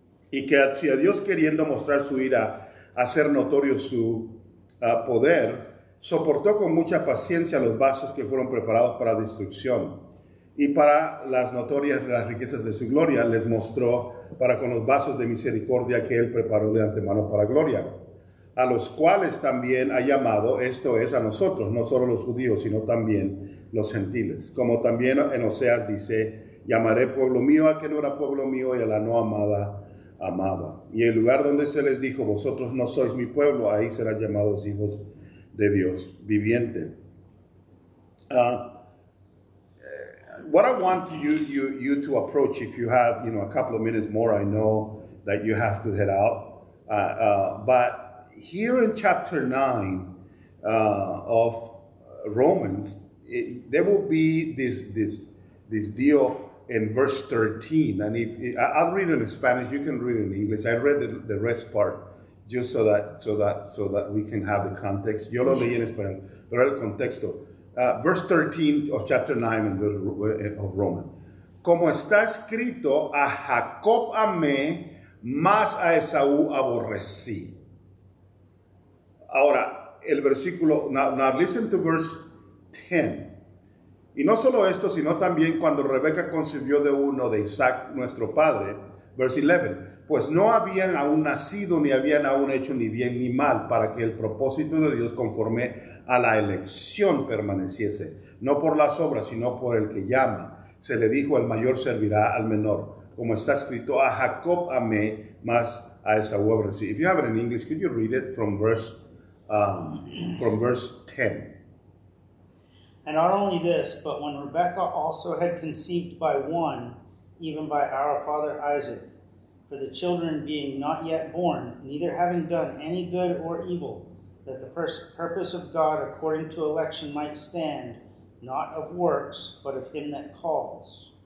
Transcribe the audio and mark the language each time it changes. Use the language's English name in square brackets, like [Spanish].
[Spanish] Y que si a Dios queriendo mostrar su ira, hacer notorio su poder, soportó con mucha paciencia los vasos que fueron preparados para destrucción, y para las notorias las riquezas de su gloria les mostró para con los vasos de misericordia que él preparó de antemano para gloria, a los cuales también ha llamado, esto es a nosotros, no solo los judíos, sino también los gentiles. Como también en Oseas dice, llamaré pueblo mío a que no era pueblo mío, y a la no amada, amada. Y el lugar donde se les dijo, vosotros no sois mi pueblo, ahí serán llamados hijos de Dios viviente. [English] What I want you to approach, if you have, you know, a couple of minutes more, I know that you have to head out. But here in chapter 9 of Romans, there will be this deal in verse 13. And if I'll read it in Spanish, you can read it in English. I read the rest part. Just so that we can have the context. [Spanish] Yo lo leí en español, pero el contexto. [English] Verse 13 of chapter 9 of Romans. [Spanish] Como está escrito, a Jacob amé, más a Esaú aborrecí. Ahora, el versículo, [English] now listen to verse 10. [Spanish] Y no solo esto, sino también cuando Rebeca concibió de uno de Isaac, nuestro padre. [English] Verse 11. [Spanish] Pues no habían aún nacido, ni habían aún hecho ni bien ni mal, para que el propósito de Dios conforme a la elección permaneciese. No por las obras, sino por el que llama. Se le dijo, el mayor servirá al menor. Como está escrito, a Jacob amé, más a Esaú aborrecí. [English] If you have it in English, could you read it from verse 10? And not only this, but when Rebekah also had conceived by one, even by our father Isaac, for the children being not yet born, neither having done any good or evil, that the purpose of God according to election might stand, not of works, but of him that calls.